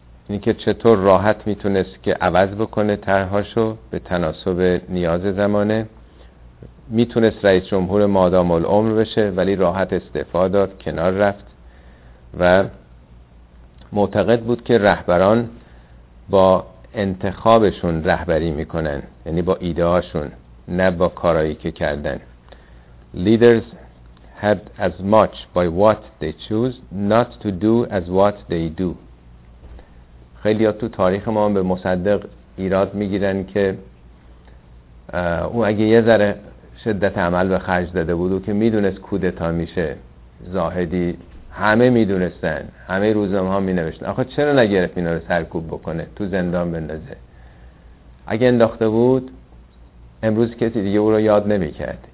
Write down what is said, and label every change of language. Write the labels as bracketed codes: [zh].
[fa] اینی که چطور راحت میتونست که عوض بکنه طرحاشو به تناسب نیاز زمانه، میتونست رئیس جمهور مادام العمر بشه ولی راحت استعفا داد، کنار رفت و معتقد بود که رهبران با انتخابشون رهبری میکنن، یعنی با ایده‌هاشون، نه با کارایی که کردن. [en] Leaders had as much by what they choose not to do as what they do. [fa] خیلی ها تو تاریخ ما به مصدق ایراد میگیرن که او اگه یه ذره شدت عمل به خرج داده بود، او که میدونست کودتا میشه، زاهدی همه میدونستن، همه روزنامه ها مینوشتن، آخه چرا نگرفت اینا رو سرکوب بکنه، تو زندان بندازه؟ اگه انداخته بود امروز کسی دیگه او رو یاد نمیکرد.